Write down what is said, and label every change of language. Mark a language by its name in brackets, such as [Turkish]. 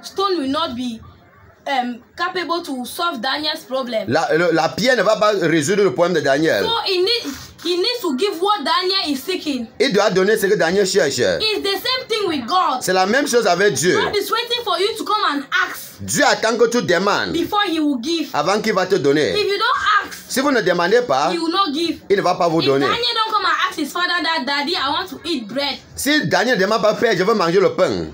[English] stone will not be capable to solve Daniel's problem. [French] La pierre ne va pas résoudre le problème de Daniel. [English] So he needs to give what Daniel is seeking. [French] Il doit donner ce que Daniel cherche. [English] It's the same thing with God. [French] C'est la même chose avec Dieu. [English] God is waiting for you to come and ask. [French] Dieu attend que tu demandes. [English] Before he will give. [French] Avant qu'il va te donner. [English] If you don't ask, [French] si vous ne demandez pas, [English] he will not give. [French] Il ne va pas vous [English] if [French] donner. [English] Daniel don't come and ask his father that, Daddy, I want to eat bread. [French] Si Daniel demande pas, père, je veux manger le pain.